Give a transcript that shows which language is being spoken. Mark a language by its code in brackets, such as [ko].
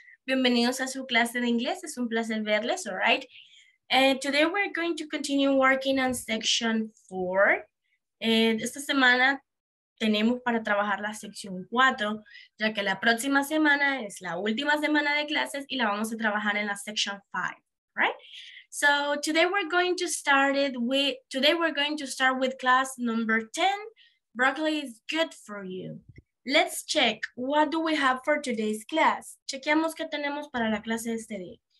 [es] Bienvenidos a su clase de inglés, es un placer verles, [en] all right? And today we're going to continue working on section 4. [es] Esta semana tenemos para trabajar la sección 4, ya que la próxima semana es la última semana de clases y la vamos a trabajar en la [en] section 5, right? So today we're going to start it with, today we're going to start with class number 10. Broccoli is good for you. Let's check, what do we have for today's class? [es] Chequeamos qué tenemos para la clase de este día.